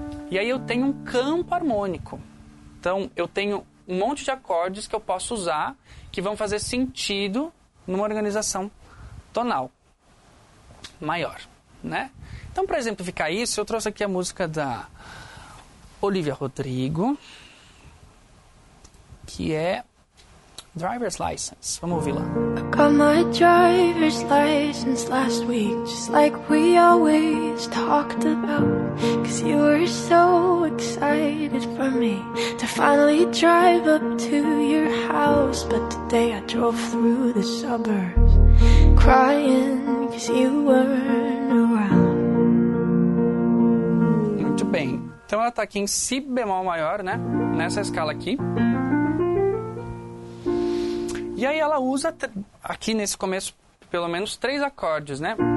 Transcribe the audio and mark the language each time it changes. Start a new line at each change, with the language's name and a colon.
Portuguese: E aí eu tenho um campo harmônico. Então eu tenho um monte de acordes que eu posso usar que vão fazer sentido numa organização tonal maior, né? Então, para exemplificar isso, eu trouxe aqui a música da Olivia Rodrigo, que é Driver's License. Vamos ouvir lá.
English: I got my driver's license last week, just like we always talked about, 'cause you were so excited for me to finally drive up to your house. But today I drove through the suburbs crying 'cause you weren't around.
Portuguese: Muito bem. Então ela tá aqui em Si bemol maior, né? Nessa escala aqui. E aí ela usa, aqui nesse começo, pelo menos 3 acordes, né?